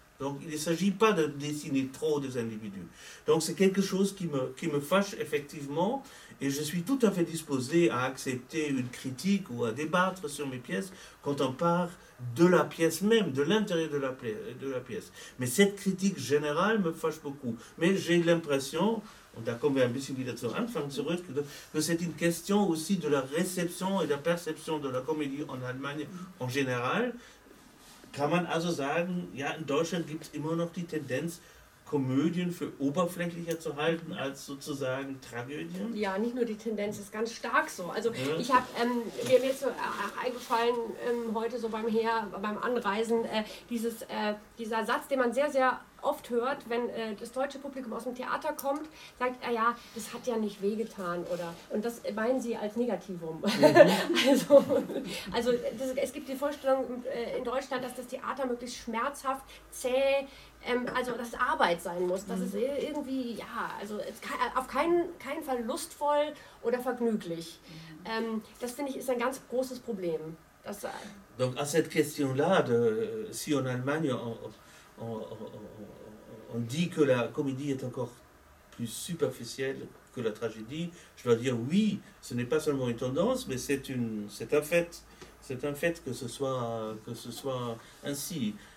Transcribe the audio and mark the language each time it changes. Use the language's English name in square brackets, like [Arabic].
[French] Donc il ne s'agit pas de dessiner trop des individus. Donc c'est quelque chose qui me fâche effectivement, et je suis tout à fait disposé à accepter une critique ou à débattre sur mes pièces quand on part de la pièce même, de l'intérieur de la pièce. Mais cette critique générale me fâche beaucoup. Mais j'ai l'impression, on a convaincu si vous êtes anfangsheureux, que c'est une question aussi de la réception et de la perception de la comédie en Allemagne en général. [German] Kann man also sagen, ja, in Deutschland gibt es immer noch die Tendenz, Komödien für oberflächlicher zu halten als sozusagen Tragödien? Ja, nicht nur die Tendenz, ist ganz stark so. Also ja. Ich habe mir so eingefallen heute so beim Anreisen, dieser Satz, den man sehr, sehr oft hört, wenn das deutsche Publikum aus dem Theater kommt, sagt, ja, das hat ja nicht wehgetan, oder? Und das meinen sie als Negativum. Mhm. Also es gibt die Vorstellung in Deutschland, dass das Theater möglichst schmerzhaft, zäh, also dass Arbeit sein muss, dass es irgendwie, ja, also auf keinen Fall lustvoll oder vergnüglich. Das finde ich ist ein ganz großes Problem. [French] Donc à cette question-là, si en Allemagne on dit que la comédie est encore plus superficielle que la tragédie, je dois dire oui, ce n'est pas seulement une tendance, mais c'est un fait que ce soit ainsi.